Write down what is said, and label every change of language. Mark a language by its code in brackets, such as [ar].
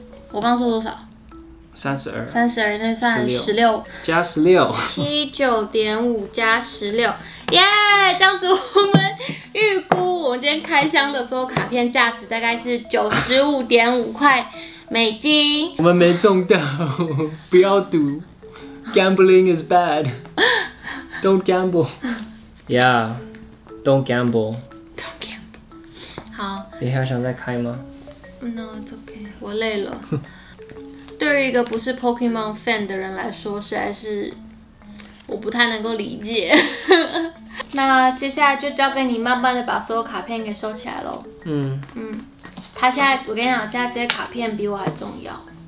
[zh] 我刚说多少？ 32，那算16，加16， 79.5加16，耶！这样子我们预估我们今天开箱的所有卡片价值大概是$95.5。我们没中到，不要赌 [en] ，gambling is bad， don't gamble， yeah， don't gamble， don't gamble。好， [zh] 你还想再开吗 [en] ？No， it's okay， [zh] 我累了。对于一个不是 Pokemon fan 的人来说，实在是我不太能够理解。那接下来就交给你慢慢的把所有卡片给收起来喽。他现在，我跟你讲，现在这些卡片比我还重要。